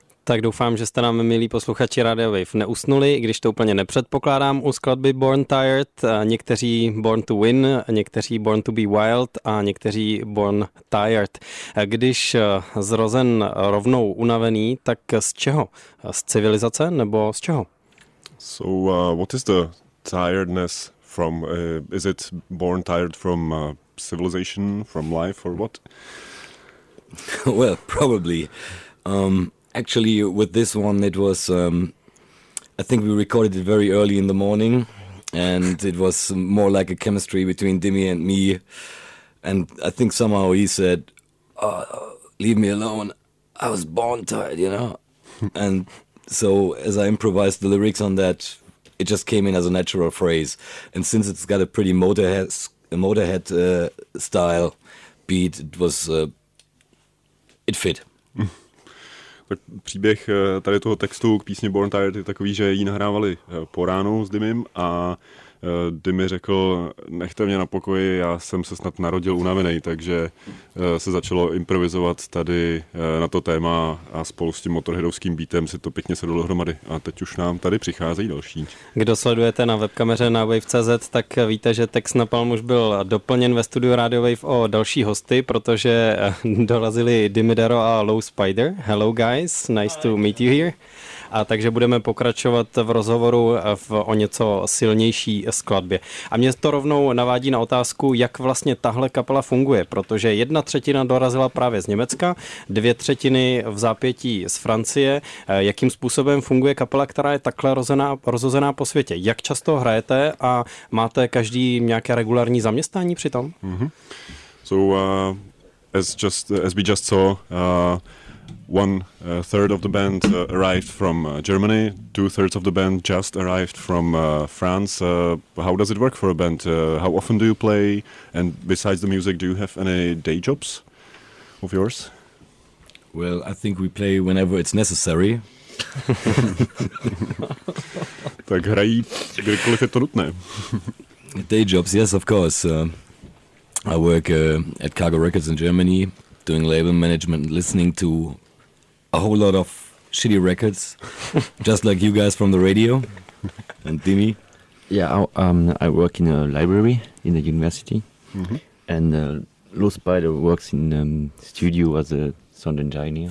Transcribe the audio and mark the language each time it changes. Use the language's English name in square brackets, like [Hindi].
[Czech] Tak doufám, že jste nám, milí posluchači Radio Wave, neusnuli, i když to úplně nepředpokládám u skladby Born Tired. Někteří Born to Win, někteří Born to be Wild a někteří Born Tired. Když zrozen rovnou unavený, tak z čeho? Z civilizace nebo z čeho? [English] So what is the tiredness from? Is it born tired from civilization, from life or what? Well, probably. Actually, with this one, it was, I think we recorded it very early in the morning, and it was more like a chemistry between Dimmy and me, and I think somehow he said, leave me alone, I was born tired, you know? And so, as I improvised the lyrics on that, it just came in as a natural phrase, and since it's got a pretty Motorhead style beat, it was, it fit. [Czech] Příběh tady toho textu k písni Born Tired je takový, že ji nahrávali po ránu s Dimmym a Dimmy řekl, nechte mě na pokoji, já jsem se snad narodil unavený, takže se začalo improvizovat tady na to téma a spolu s tím motorheadovským beatem si to pěkně sedlo dohromady. A teď už nám tady přicházejí další. Kdo sledujete na webkameře na Wave.cz, tak víte, že text na Palm už byl doplněn ve studiu Radio Wave o další hosty, protože dorazili Dimmy Daro a Low Spider. [English] Hello guys, nice to meet you here. [Czech] A takže budeme pokračovat v rozhovoru v o něco silnější skladbě. A mě to rovnou navádí na otázku, jak vlastně tahle kapela funguje, protože jedna třetina dorazila právě z Německa, dvě třetiny v zápětí z Francie. Jakým způsobem funguje kapela, která je takhle rozhozená po světě? Jak často hrajete a máte každý nějaké regulární zaměstnání přitom? Mm-hmm. [English] So, one third of the band arrived from Germany, two thirds of the band just arrived from France. How does it work for a band? How often do you play? And besides the music, do you have any day jobs of yours? Well, I think we play whenever it's necessary. [Czech] Tak hrají, kdykoliv je to nutné. [English] Day jobs, yes, of course. I work at Cargo Records in Germany, doing label management, listening to a whole lot of shitty records, just like you guys from the radio, and Dimmy. I work in a library in the university, and Low Spider works in a studio as a sound engineer.